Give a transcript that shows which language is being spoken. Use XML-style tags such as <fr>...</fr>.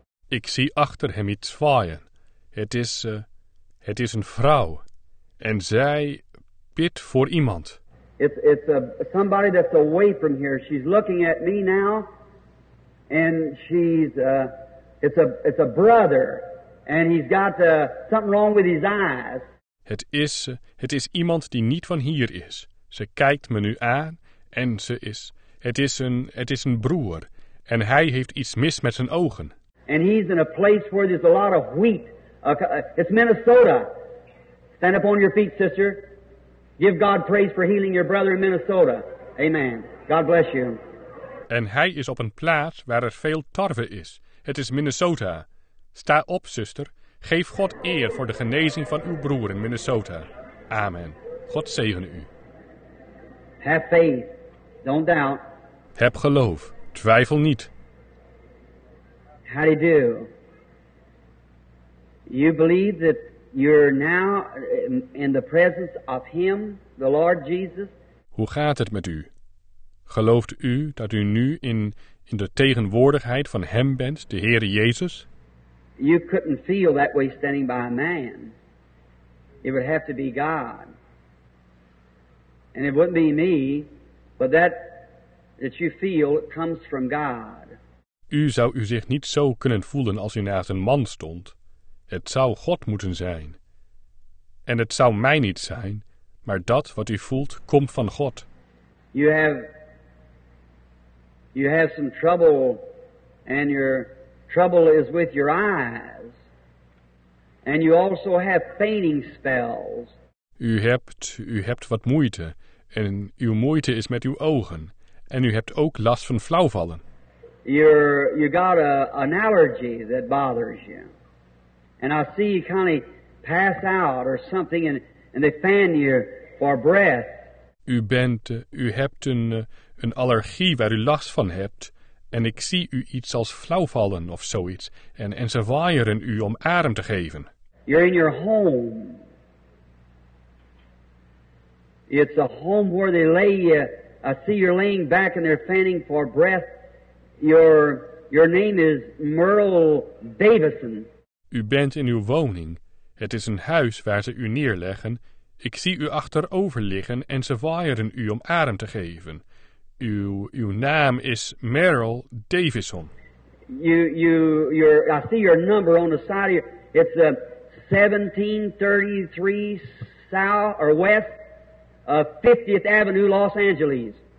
<nl>Ik zie achter hem iets zwaaien. Het is een vrouw. En zij bidt voor iemand.</nl> <en>It's somebody that's away from here. She's looking at me now. And she's it's a brother. And he's got something wrong with his eyes.</en> <nl>Het is iemand die niet van hier is. Ze kijkt me nu aan en ze is... Het is een broer. En hij heeft iets mis met zijn ogen.</nl> <en>And he's in a place where there's a lot of wheat. It's Minnesota. Stand up on your feet, sister. Give God praise for healing your brother in Minnesota. Amen. God bless you.</en> <nl>En hij is op een plaats waar er veel tarwe is. Het is Minnesota. Sta op, zuster. Geef God eer voor de genezing van uw broer in Minnesota. Amen. God zegene u.</nl> <en>Have faith. Don't doubt.</en> <nl>Heb geloof. Twijfel niet.</nl> <en>How do you do? You believe that you're now in the presence of him, the Lord Jesus?</en> <nl>Hoe gaat het met u? Gelooft u dat u nu in de tegenwoordigheid van hem bent, de Heer Jezus?</nl> <en>You couldn't feel that way standing by a man. It would have to be God. And it wouldn't be me, but that you feel it comes from God.</en> <nl>U zou u zich niet zo kunnen voelen als u naast een man stond. Het zou God moeten zijn. En het zou mij niet zijn, maar dat wat u voelt komt van God.</nl> <en>You have some trouble and you're... Trouble is with your eyes. And you also have fainting spells.</en> <nl>U hebt wat moeite. En uw moeite is met uw ogen. En u hebt ook last van flauwvallen.</nl> <en>You got an allergy that bothers you. And I see you kind of pass out or something and they fan you for breath.</en> <nl>U hebt een allergie waar u last van hebt. En ik zie u iets als flauwvallen of zoiets. En ze waaieren u om adem te geven.</nl> <en>You're in your home. It's a home where they lay you see you're laying back and they're fanning for breath. Your name is Merle Davison.</en> <nl>U bent in uw woning. Het is een huis waar ze u neerleggen. Ik zie u achterover liggen en ze waaieren u om adem te geven. Uw naam is Merle Davison.</nl> <en>I see your number on the side of you. It's 1733 South or West of 50th Avenue, Los Angeles.</en>